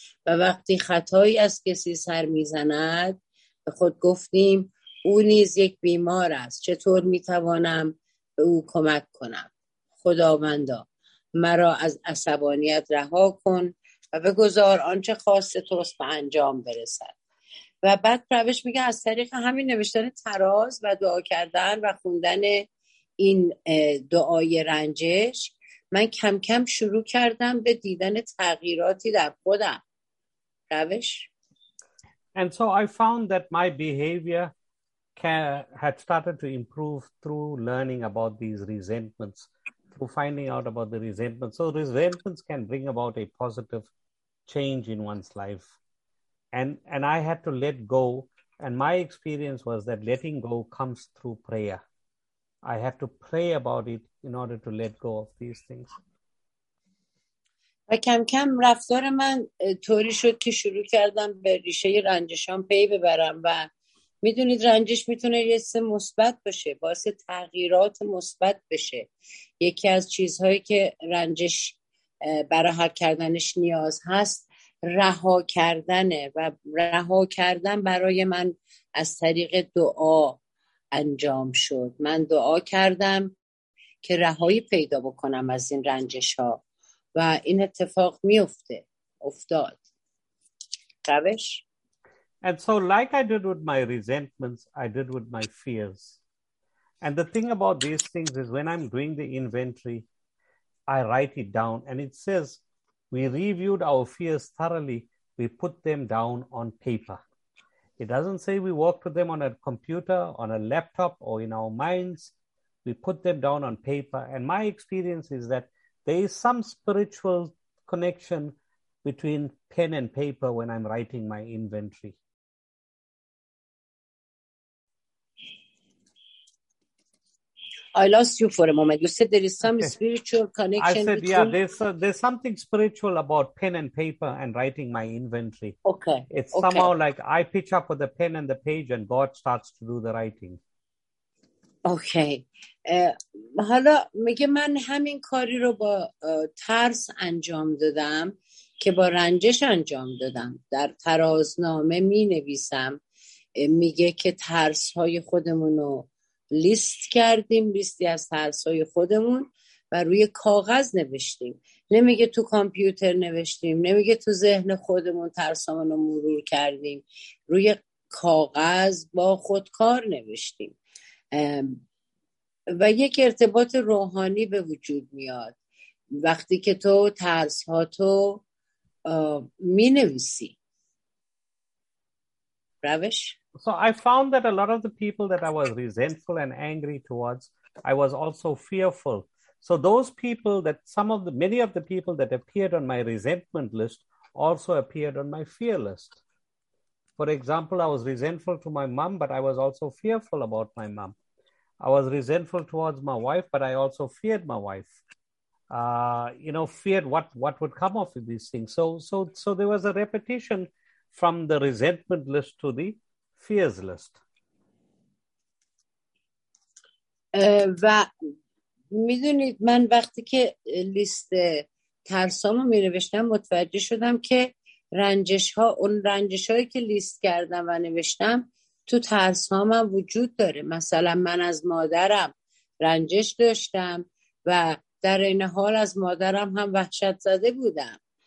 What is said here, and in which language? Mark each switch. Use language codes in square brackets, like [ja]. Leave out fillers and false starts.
[fa] و وقتی خطایی از کسی سر می‌زند، به خود گفتیم او نیز یک بیمار است، چطور می‌توانم به او کمک کنم؟ خداوندا مرا از عصبانیت رها کن و بگذار آنچه خواست توست به انجام برسد. و بعد روش میگه از طریق همین نوشتن تراز و دعا کردن و خوندن این دعای رنجش، من کم کم شروع کردم به دیدن تغییراتی در خودم. روش [en] And so I found that my behavior had started to improve through learning about these resentments, through finding out about the resentments. So resentments can bring about a positive change in one's life. And I had to let go. And my experience was that letting go comes through prayer. I had to pray about it in order to let go of these things. [fa] و کم کم رفتار من طوری شد که شروع کردم به ریشه رنجشام پی ببرم. و میدونید رنجش میتونه یه سه مثبت باشه، باعث تغییرات مثبت بشه. یکی از چیزهایی که رنجش برای حل کردنش نیاز هست رها کردنه، و رها کردن برای من از طریق دعا انجام شد. من دعا کردم که رهایی پیدا بکنم از این رنجش ها و این اتفاق میفته افتاد. روش [en] And so like I did with my resentments, I did with my fears. And the thing about these things is when I'm doing the inventory, I write it down and it says, we reviewed our fears thoroughly. We put them down on paper. It doesn't say we worked with them on a computer, on a laptop, or in our minds. We put them down on paper. And my experience is that there is some spiritual connection between pen and paper when I'm writing my inventory. I lost you for a moment. You said there is some spiritual connection. I said, between... yeah, there's something spiritual about pen and paper and writing my inventory. Okay. It's okay. Somehow like I pitch up with the pen and the page and God starts to do the writing. Okay. [fa] حالا میگه من همین کاری رو با ترس انجام دادم که با رنجش انجام دادم. در ترازنامه می نویسم، میگه که ترس های خودمونو لیست کردیم، لیستی از ترس‌های خودمون و روی کاغذ نوشتیم. نمیگه تو کامپیوتر نوشتیم، نمیگه تو ذهن خودمون ترسامون رو مرور کردیم، روی کاغذ با خودکار نوشتیم و یک ارتباط روحانی به وجود میاد وقتی که تو ترس‌هاتو می‌نویسی. روش [en] So I found that a lot of the people that I was resentful and angry towards, I was also fearful. So those people that some of the, many of the people that appeared on my resentment list also appeared on my fear list. For example, I was resentful to my mom, but I was also fearful about my mom. I was resentful towards my wife, but I also feared my wife. Feared what would come off of these things. So there was a repetition from the resentment list to the fears list. [fa] و میدونید من وقتی که لیست ترسامو می نوشتم متوجه شدم که رنجش ها، اون رنجش هایی که لیست کردم و نوشتم تو ترس هام وجود داره. مثلا من از مادرم رنجش داشتم و در این حال از مادرم هم وحشت زده بودم.